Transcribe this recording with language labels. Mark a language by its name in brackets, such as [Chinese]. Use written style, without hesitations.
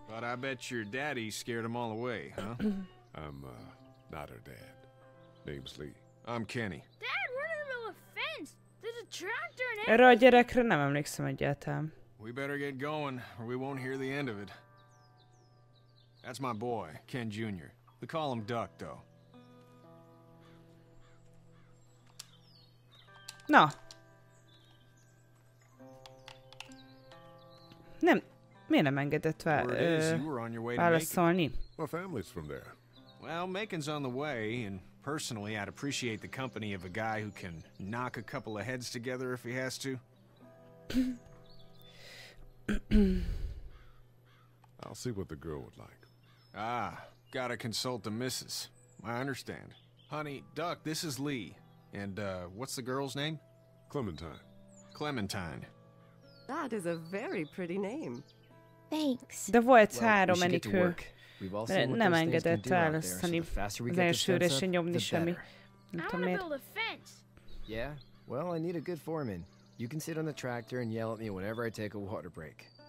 [English] But I bet your daddy scared him all away, huh? I'm not her dad. Name's Lee. I'm Kenny. Dad, we're in the middle of a fence. There's a tractor and [Hungarian] erre a gyerekre nem emlékszem egyáltalán. [English] We better get going, or we won't hear the end of it. That's my boy, Ken Jr. We call him Duck, though. No. [Hungarian] Nem. Miért nem engedett válaszolni? [English] My family's from there. Well, Macon's on the way, and personally, I'd appreciate the company of a guy who can knock a couple of heads together if he has to. I'll see what the girl would like. Ah, gotta consult the missus. I understand. Honey, Duck, this is Lee. And, what's the girl's name? Clementine. Clementine. That is a very pretty name. Thanks. [Hungarian] De volt három menikő. Nem engedett választani az elsőre se nyomni semmi. [English] I wanna build a fence. Yeah? Well, I need a good foreman. You can sit on the tractor and yell at me whenever I take a water break.